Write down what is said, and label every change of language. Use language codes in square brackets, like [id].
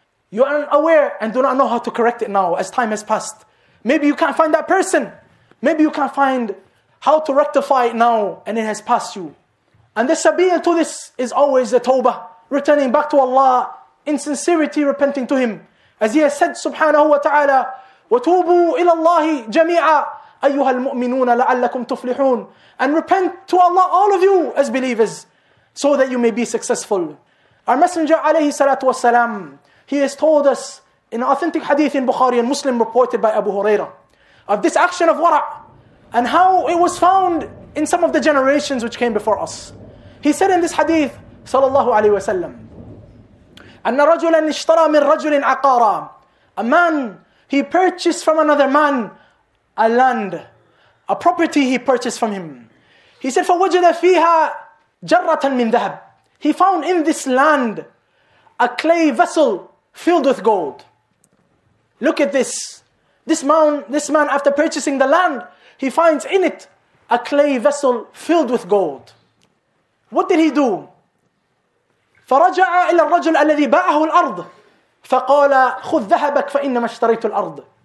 [en] You aren't aware and do not know how to correct it now as time has passed. Maybe you can't find that person. Maybe you can't find how to rectify it now and it has passed you. And the sabil to this is always the tawbah, returning back to Allah in sincerity, repenting to Him. As He has said, [ar] subhanahu wa ta'ala, وَتُوبُوا إِلَى اللَّهِ جَمِيعًا أَيُّهَا الْمُؤْمِنُونَ لَعَلَّكُمْ تُفْلِحُونَ. [en] And repent to Allah, all of you as believers, so that you may be successful. Our Messenger alayhi salatu wasalam, he has told us in authentic hadith in Bukhari and Muslim reported by Abu Huraira, of this action of wara' and how it was found in some of the generations which came before us. He said in this hadith, [ar] sallallahu alayhi wasallam, أَنَّ رَجُلًا اشْتَرَى مِنْ رَجُلٍ عَقَارًا. [en] A man, he purchased from another man a land, a property he purchased from him. He said, [ar] فَوَجَدَ فِيهَا جَرَّةً مِنْ ذَهَبٍ. [en] He found in this land a clay vessel filled with gold. Look at this. This man, after purchasing the land, he finds in it a clay vessel filled with gold. What did he do? [ar] فَرَجَعَ إِلَى الرَّجُلَ الَّذِي بَاعَهُ الْأَرْضِ فَقَالَ خُذْ ذَهَبَكْ فَإِنَّمَا اشْتَرَيْتُ الْأَرْضِ.